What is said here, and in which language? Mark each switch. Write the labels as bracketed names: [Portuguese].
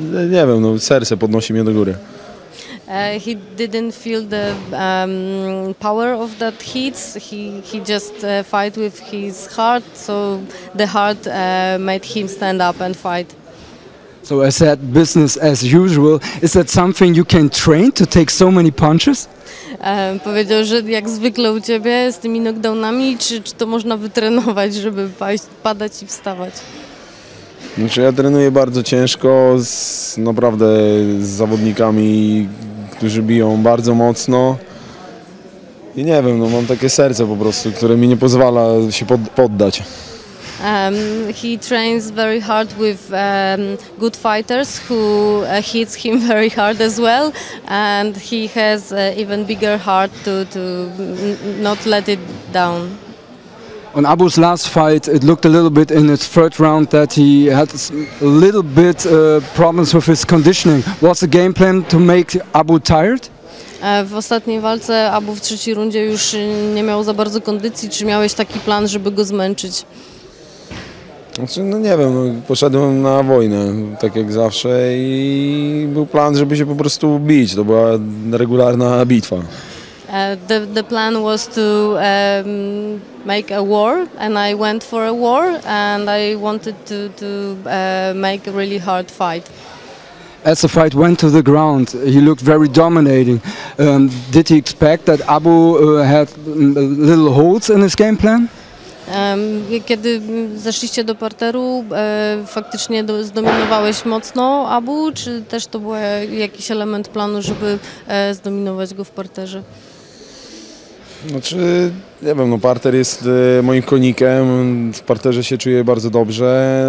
[Polish] Nie wiem, no serce podnosi mnie do góry. [English] He didn't feel the power of that hits. He just fight with his heart, so the heart made him stand up and fight. So I said business as usual. Is that something you can train to take so many punches? [Polish] Powiedział, że jak zwykle u ciebie z tymi knockdownami, czy to można wytrenować, żeby padać i wstawać? Znaczy ja trenuję bardzo ciężko, naprawdę z zawodnikami, którzy biją bardzo mocno i nie wiem, no mam takie serce po prostu, które mi nie pozwala się poddać. [English] He trains very hard with good fighters who hits him very hard as well and he has even bigger heart to not let it down. On Abu's last fight, it looked a little bit in his third round that he had a little bit problems with his conditioning. Was the game plan to make Abu tired? [Polish] W ostatniej walce Abu w trzeciej rundzie już nie miał za bardzo kondycji. Czy miałeś taki plan, żeby go zmęczyć? Znaczy, no nie wiem, poszedłem na wojnę, tak jak zawsze i był plan, żeby się po prostu bić. To była regularna bitwa. [English] The plan was to make a war, and I went for a war, and I wanted to make a really hard fight. As the fight went to the ground, he looked very dominating. Did he expect that Abu had little holes in his game plan? [Polish] Kiedy zeszliście do parteru, faktycznie zdominowałeś mocno Abu, czy też to był jakiś element planu, żeby zdominować go w parterze? Znaczy, nie wiem, no parter jest moim konikiem, w parterze się czuję bardzo dobrze.